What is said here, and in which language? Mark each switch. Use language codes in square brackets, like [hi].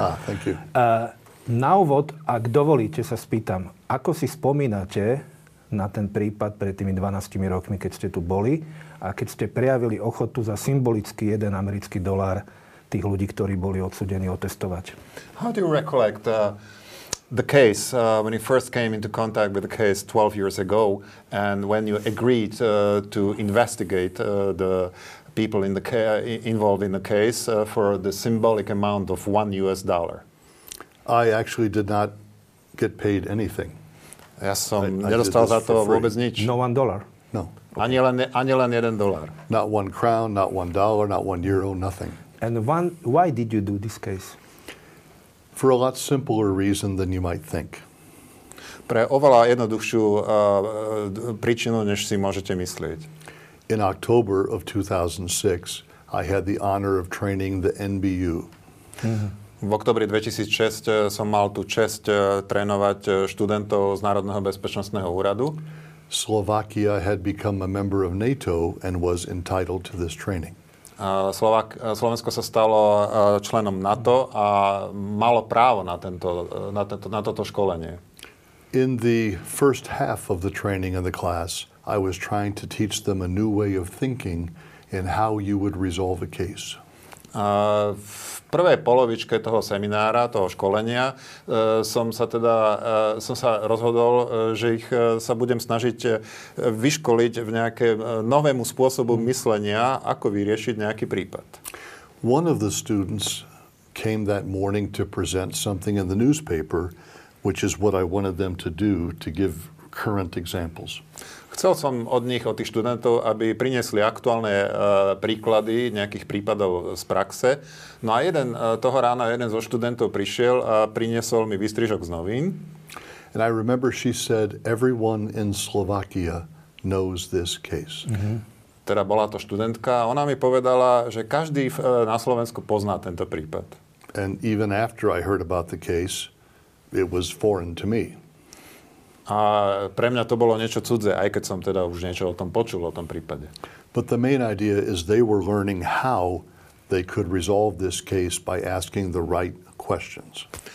[en] Ah, thank you. [sk] Na úvod, ak dovolíte, sa spýtam, ako si spomínate na ten prípad pred tými 12 rokmi, keď ste tu boli a keď ste prejavili ochotu za symbolický jeden americký dolár tých ľudí, ktorí boli odsúdení, otestovať? [en] How do you recollect the case when you first came into contact with the case 12 years ago and when you agreed to investigate the people in the involved in the case for the symbolic amount of $1? I actually did not get paid anything. [sk] Ja som nedostal za to vôbec nič. [en] No $1? No. [sk] Okay. Ani len jeden dolar. [en] Not one crown, not $1, not €1, nothing. And why did you do this case? For a lot simpler reason than you might think. [sk] Pre oveľa jednoduchšiu príčinu, než si môžete myslieť. [en] In October of 2006, I had the honor of training the NBU. [sk] V októbri 2006 som mal tú čest trénovať študentov z Národného bezpečnostného úradu. [en] Slovakia had become a member of NATO and was entitled to this training. [sk] Slovensko sa stalo členom NATO a malo právo na toto školenie. [en] In the first half of the training in the class, I was trying to teach them a new way of thinking in how you would resolve a case. [sk] V prvej polovičke toho seminára, toho školenia, som sa rozhodol, že ich sa budem snažiť vyškoliť v nejakém novému spôsobu myslenia, ako vyriešiť nejaký prípad. [en] One of the students came that morning to present something in the newspaper, which is what I wanted them to do, to give current examples. [sk] Chcel som od nich, od tých študentov, aby priniesli aktuálne príklady nejakých prípadov z praxe. No a jeden toho rána jeden zo študentov prišiel a priniesol mi výstrižok z novín. [en] And I remember she said, everyone in Slovakia knows this case. Mm-hmm. [sk] Teda bola to študentka a ona mi povedala, že každý na Slovensku pozná tento prípad. [en] And even after I heard about the case, it was foreign to me. [sk] A pre mňa to bolo niečo cudzé, aj keď som teda už niečo o tom počul, o tom prípade. [en] But the main idea is they were learning how they could resolve this case by asking the right questions.